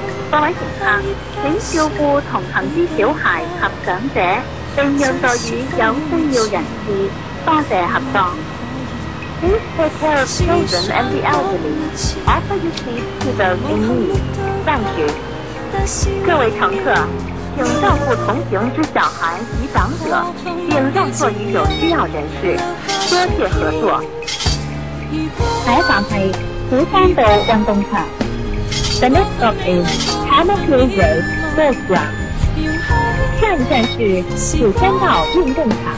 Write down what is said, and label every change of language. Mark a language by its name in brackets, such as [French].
[Cantonese] 各位乘客，请照顾同行之小孩及长者，并让座椅有需要人士，多谢合作。 [English] Please take care of children and the elderly. Offer your seat to those in need. Thank you. [Cantonese] 各位乘客，请照顾同行之小孩及长者，并让座椅有需要人士，多谢合作。下一站是虎山道运动场。 [English] The next stop is Hamilton Road, Sports Ground. [Cantonese] 下一站是虎山道运动场。